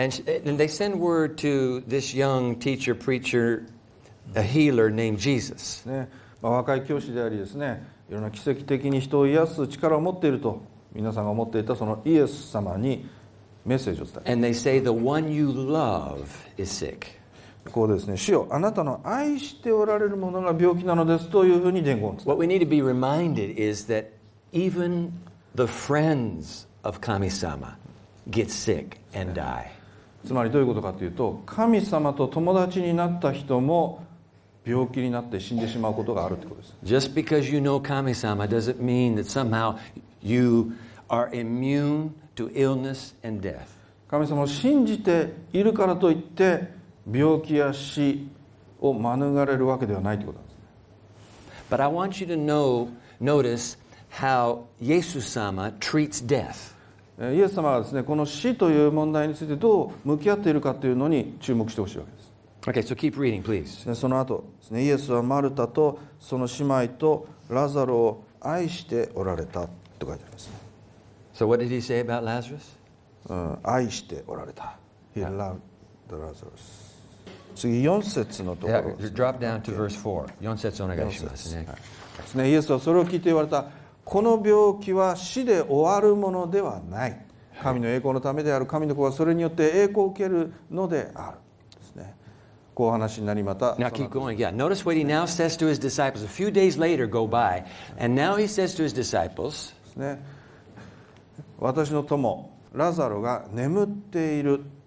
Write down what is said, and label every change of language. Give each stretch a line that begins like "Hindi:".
English: And they send word to this young teacher, preacher, a healer named Jesus.、
Japanese: ね、まあ、若い教師でありですね、いろんな奇跡的に人を癒す力を持っていると、皆さんが思っていたそのイエス様にメッセージを伝えた。
English: And they say, the one you love is sick.
Japanese: こうですね、主よ、あなたの愛しておられるものが病気なのですというふうに伝言を伝える。
English: What we need to be reminded is that even the friends of Kami-sama get sick and die.
Japanese: つまりどういうことかというと、神様と友達になった人も病気になって死んでしまうことがあるということです。
English: Just because you know Kami-sama doesn't mean that somehow you are immune to illness and death.
Japanese: 神様を信じているからといって病気や死を免れるわけではないということなんですね。
English: But I want you to know, notice how Jesus 様 treats death.
Japanese: イエス様はですね、この死という問題についてどう向き合っているかというのに注目してほしいわけです。
English: Okay, so keep reading, please.
Japanese: その後ですね、イエスはマルタとその姉妹とラザロを愛しておられたと書いてあります。
English: So what did he say about Lazarus?
Japanese: 愛しておられた。
English: He loved Lazarus.
Japanese: 次4節のところ、ね、yeah, 4節お願いします。ね、はい、ですね。イエスはそれを聞いて言われた。この病気は死で終わるものではない。神の栄光のためである。神の子はそれによって栄光を受けるのであるです、ね、こう話になり、また
English: Now keep going. Yeah. Notice what he now says to his disciples. A few days later go by. And now he says to his disciples、
Japanese: ね、私の友ラザロが眠っている。